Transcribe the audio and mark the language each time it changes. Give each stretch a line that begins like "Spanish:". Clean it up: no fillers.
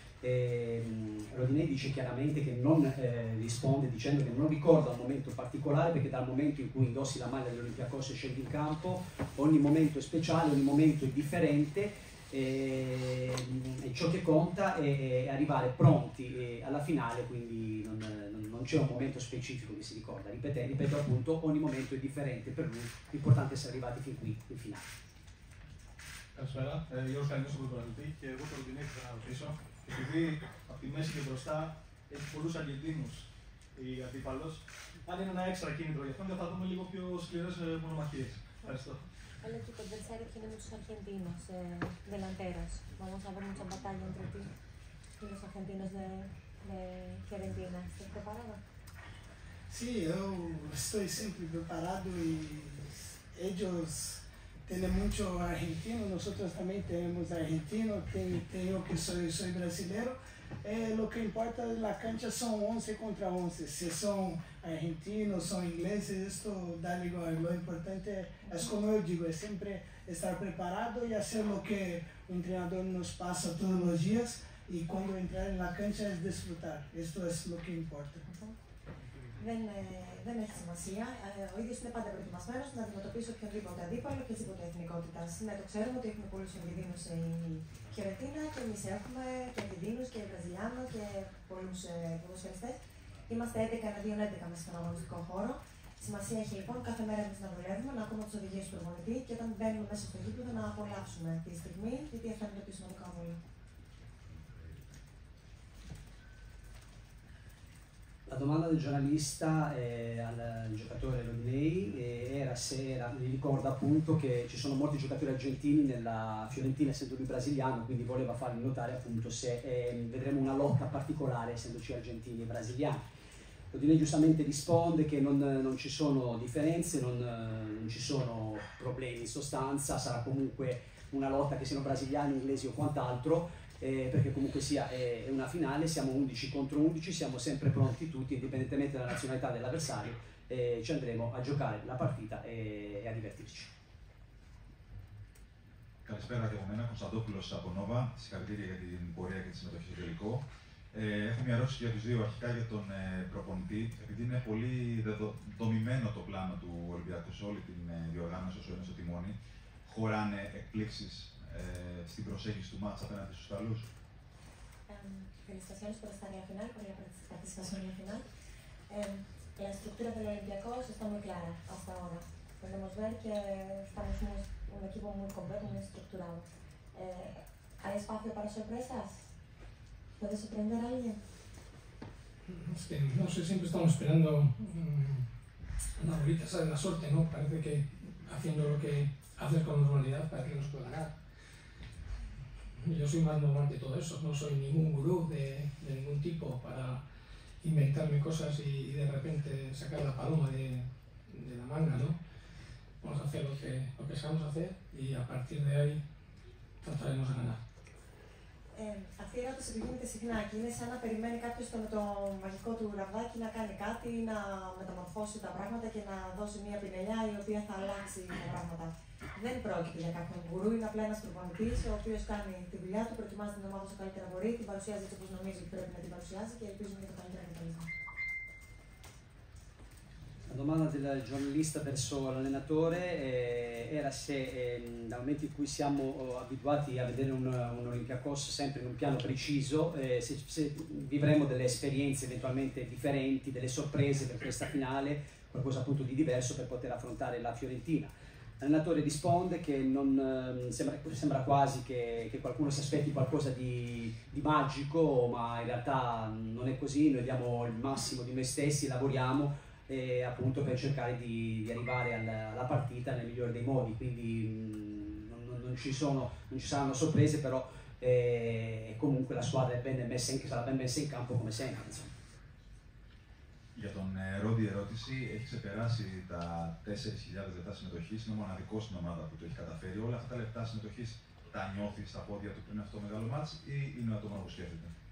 Italian: Rodinè dice chiaramente che non risponde dicendo che non ricorda un momento particolare, perché dal momento in cui indossi la maglia dell'Olympiakos e scendi in campo, ogni momento è speciale, ogni momento è differente, e ciò che conta è arrivare pronti alla finale, quindi non c'è un momento specifico che si ricorda. Ripeto appunto, ogni momento è differente per lui, l'importante è essere arrivati fin qui in finale.
Greek: Καλησπέρα, Γιώργο Καλλινό από τον Παναγιώτη και εγώ τον Ροντινέη θα ρωτήσω. Επειδή από τη μέση και μπροστά έχει πολλούς αργεντίνους η αντίπαλος, αν είναι ένα έξτρα κίνητρο για αυτόν, θα δούμε λίγο πιο σκληρές μονομαχίες. Ευχαριστώ. Αλλά και ο Κοντερσάρη είναι με τους Αργεντίνους δελαντέρας. Μόνο θα βρούμε τον μπατάλι αν τρέπει. Είναι ο Αργεντίνος με Φιωρεντίνα. Είστε
Spanish: preparado? Sí, eu estoy siempre preparado y ellos tiene mucho argentino, nosotros también tenemos argentino, tengo que soy brasileño. Lo que importa en la cancha son 11 contra 11, si son argentinos, son ingleses, esto da igual. Lo importante es, como yo digo, es siempre estar preparado y hacer lo que un entrenador nos pasa todos los días, y cuando entrar en la cancha es disfrutar, esto es lo que importa.
Greek: Δεν έχει σημασία. Ο ίδιος είναι πάντα προετοιμασμένος να αντιμετωπίσει οποιονδήποτε αντίπαλο, οποιασδήποτε εθνικότητας. Ναι, το ξέρουμε ότι έχουμε πολλούς Αργεντίνους στη Φιωρεντίνα και εμείς έχουμε και Αργεντίνους και Βραζιλιάνο και πολλούς ποδοσφαιριστές. Είμαστε 11 εναντίον 11 μέσα στον αγωνιστικό χώρο. Σημασία έχει λοιπόν κάθε μέρα εμείς να δουλεύουμε, να ακούμε τις οδηγίες του προπονητή και όταν μπαίνουμε μέσα στο γήπεδο να απολαύσουμε αυτή τη στιγμή, γιατί αυτό είναι το πιο σημαντικό από όλα.
Italian: La domanda del giornalista al giocatore Rodinei era se era, gli ricorda appunto che ci sono molti giocatori argentini nella Fiorentina, essendo lui brasiliano, quindi voleva fargli notare appunto se vedremo una lotta particolare essendoci argentini e brasiliani. Rodinei giustamente risponde che non ci sono differenze, non ci sono problemi in sostanza, sarà comunque una lotta che siano brasiliani, inglesi o quant'altro. Perché comunque sia è una finale, siamo 11 contro 11, siamo sempre pronti tutti, indipendentemente dalla nazionalità dell'avversario, ci andremo a giocare la partita e a divertirci.
Greek: Καλησπέρα και από μένα, Κωνσταντόπουλος από Nova. Συγχαρητήρια για την πορεία και τη συμμετοχή στο τελικό. Έχω μια ερώτηση για τους δύο, αρχικά για τον προπονητή. Επειδή είναι πολύ δομημένο το πλάνο του Ολυμπιακού σε όλη την διοργάνωση όσο είναι στο τιμόνι, χωράνε εκπλήξεις στην προσέγγιση του μάτς απέναντι στους Ιταλούς?
Spanish: Felicitaciones por esta final, por la participación final. La estructura del Olympiacos se está muy clara hasta ahora. Podemos ver que estamos un equipo muy completo, muy estructurado. ¿Hay espacio para sorpresas? ¿Puede sorprender a alguien? Es que no sé, siempre estamos esperando una bolita, sale la suerte, ¿no? Parece que haciendo lo que haces con normalidad para que nos pueda ganar. Yo soy más normal de todo eso, no soy ningún gurú de ningún tipo para inventarme cosas y de repente sacar la paloma de la manga, ¿no? Vamos a hacer lo que sabemos hacer y a partir de ahí trataremos de ganar.
Greek: Αυτή η ερώτηση επιγίνεται συχνά και είναι σαν να περιμένει κάποιος με το μαγικό του ραβδάκι να κάνει κάτι ή να μεταμορφώσει τα πράγματα και να δώσει μια πινελιά η οποία θα αλλάξει τα πράγματα. Δεν πρόκειται για κάποιον γκουρού, είναι απλά ένας προπονητής ο οποίος κάνει τη δουλειά του, προετοιμάζει την ομάδα όσο καλύτερα μπορεί, την παρουσιάζει όπως νομίζει ότι πρέπει να την παρουσιάζει και ελπίζουμε για το καλύτερο αποτέλεσμα.
Italian: La domanda del giornalista verso l'allenatore era se dal momento in cui siamo abituati a vedere un Olympiakos sempre in un piano preciso, se vivremo delle esperienze eventualmente differenti, delle sorprese per questa finale, qualcosa appunto di diverso per poter affrontare la Fiorentina. L'allenatore risponde che non sembra quasi che qualcuno si aspetti qualcosa di magico, ma in realtà non è così, noi diamo il massimo di noi stessi, lavoriamo. E appunto per cercare di arrivare alla partita nel migliore dei modi, quindi non ci saranno sorprese, però comunque la squadra sarà ben messa in campo come sempre, insomma.
Greek: Για τον Ρόντι ερώτηση, έχει ξεπεράσει τα 4.000 λεπτά συμμετοχής, είναι ο μοναδικός στην ομάδα που το έχει καταφέρει. Όλα αυτά τα λεπτά συμμετοχής τα νιώθει στα πόδια του πριν αυτό το μεγάλο μάτς ή είναι ο ατόμο που σκέφτεται?